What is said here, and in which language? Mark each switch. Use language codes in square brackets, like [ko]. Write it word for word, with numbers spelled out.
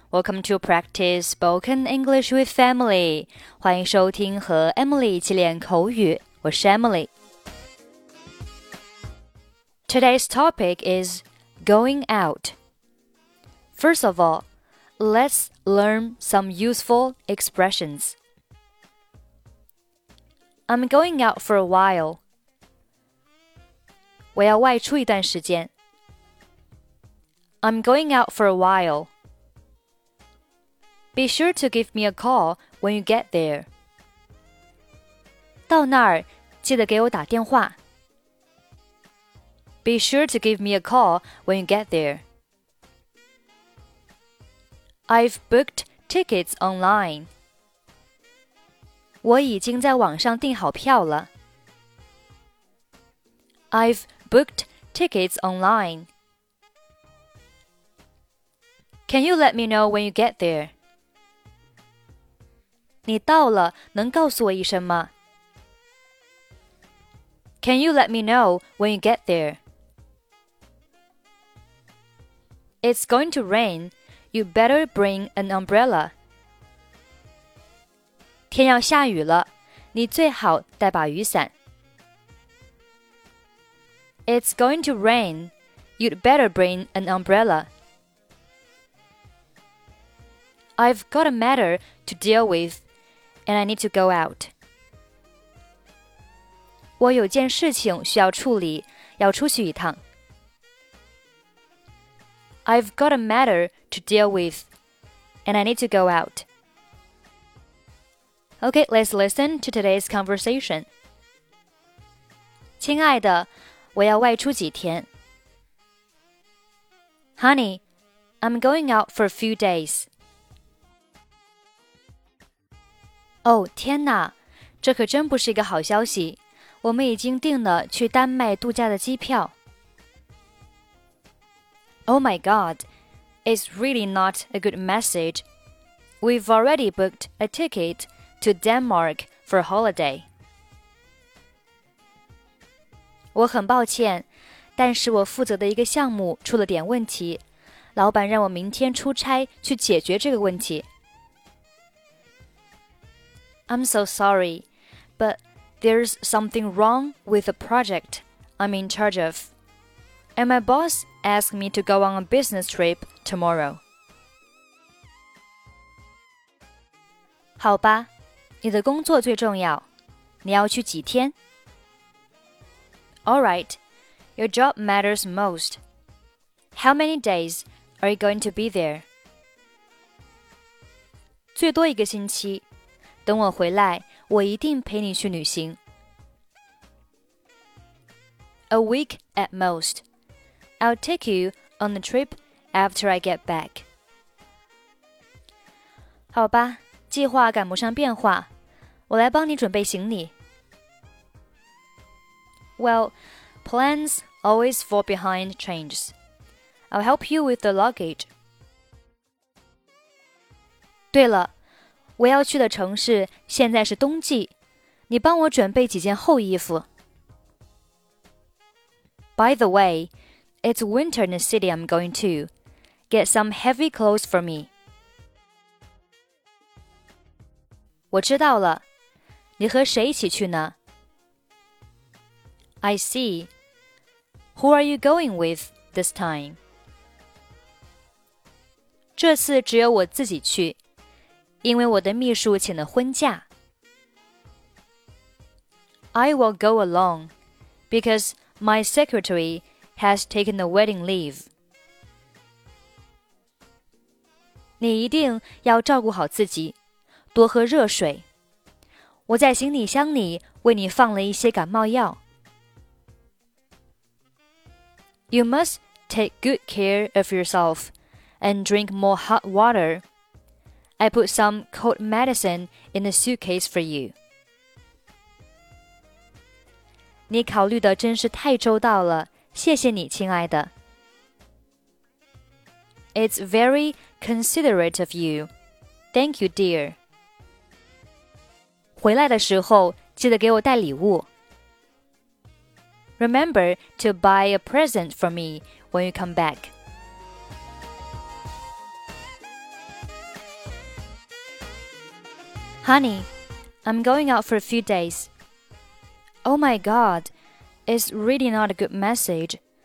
[en] Welcome to practice spoken English with Emily. [zh] 欢迎收听和 Emily 一起练口语。我是 Emily. [en] Today's topic is going out. First of all, let's learn some useful expressions. I'm going out for a while. [zh] 我要外出一段时间。 [en] I'm going out for a while. Be sure to give me a call when you get there. [zh] 到那儿，记得给我打电话。 [en] Be sure to give me a call when you get there. I've booked tickets online. [zh] 我已经在网上订好票了。 [en] I've booked tickets online. Can you let me know when you get there? [zh] 你到了，能告诉我一声吗？ [en] Can you let me know when you get there? It's going to rain. You better bring an umbrella. [zh] 天要下雨了，你最好带把雨伞。 [en] It's going to rain. You'd better bring an umbrella. I've got a matter to deal with, and I need to go out. 我有件事情需要处理，要出去一趟。 I've got a matter to deal with, and I need to go out. Okay, let's listen to today's conversation. [zh] 亲爱的，我要外出几天。 [en] Honey, I'm going out for a few days. [zh] 哦，天哪，这可真不是一个好消息。我们已经订了去丹麦度假的机票。 [en] Oh my God, it's really not a good message. We've already booked a ticket to Denmark for a holiday. [zh] 我很抱歉，但是我负责的一个项目出了点问题，老板让我明天出差去解决这个问题。 [en] I'm so sorry, but there's something wrong with the project I'm in charge of, and my boss asked me to go on a business trip tomorrow. [zh] 好吧，你的工作最重要。你要去几天？ [en] All right, your job matters most. How many days are you going to be there? [zh] 最多一个星期。等我回来，我一定陪你去旅行。 [en] A week at most. I'll take you on the trip after I get back. [zh] 好吧，计划赶不上变化，我来帮你准备行李。 [en] Well, plans always fall behind changes. I'll help you with the luggage. [zh] 对了。我要去的城市现在是冬季，你帮我准备几件厚衣服。 [en] By the way, it's winter in the city I'm going to. Get some heavy clothes for me. [zh] 我知道了，你和谁一起去呢？ [en] I see. Who are you going with this time? [zh] 这次只有我自己去。因为我的秘书请了婚假。 [en] I will go alone, because my secretary has taken a wedding leave. [zh] 你一定要照顾好自己，多喝热水。我在行李箱里为你放了一些感冒药。 [en] You must take good care of yourself and drink more hot water. I put some cold medicine in a suitcase for you. [zh] 你考虑的真是太周到了，谢谢你，亲爱的。 [en] It's very considerate of you. Thank you, dear. [zh] 回来的时候，记得给我带礼物。 [en] Remember to buy a present for me when you come back. Honey, I'm going out for a few days. Oh my God, it's really not a good message.